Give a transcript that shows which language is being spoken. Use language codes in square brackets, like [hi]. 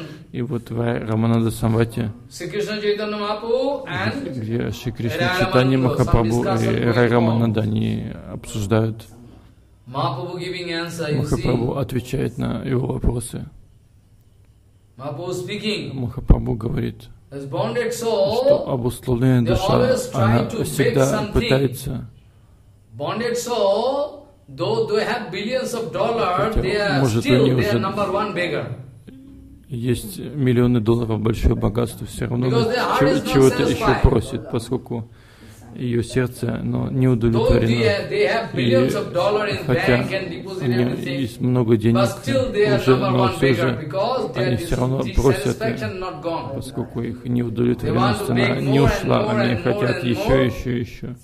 [ru] И вот в Рамананда Самвате, где Шри Кришна Чайтанья Махапрабху и Рай Рамананда они обсуждают, Махапрабху отвечает на его вопросы. Махапрабху говорит, что обусловленная душа, она всегда пытается. [en] Bonded soul, though they have billions of dollars, they are number one beggar. [ru] Есть миллионы долларов большое богатство, все равно чего-то еще просит, поскольку ее сердце, но не удовлетворено. И хотя у нее есть много денег, уже, но все же они все равно просят, поскольку их неудовлетворенность не ушла, они хотят еще, еще, еще.